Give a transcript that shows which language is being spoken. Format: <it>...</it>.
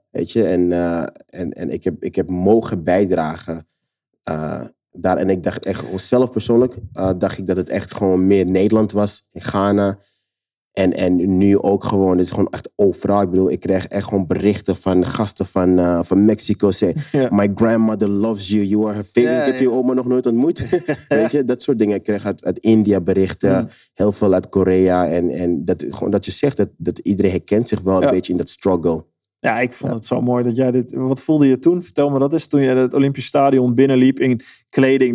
<nl>Weet je, en ik heb mogen bijdragen. Daar, en ik dacht echt, zelf persoonlijk, dacht ik dat het echt gewoon meer Nederland was. In Ghana. En nu ook gewoon, het is gewoon echt overal. Ik bedoel, ik kreeg echt gewoon berichten van gasten van Mexico.</nl> <en>Say, my grandmother loves you, you are her favorite.</en> <nl>Ik heb je oma nog nooit ontmoet. Weet je, dat soort dingen. Ik kreeg uit India berichten. Mm. Heel veel uit Korea. En dat, gewoon dat je zegt, dat iedereen herkent zich wel een beetje in dat struggle. Ja, ik vond het zo mooi dat jij dit... Wat voelde je toen? Vertel me, dat is toen je het Olympisch Stadion binnenliep in kleding.</nl>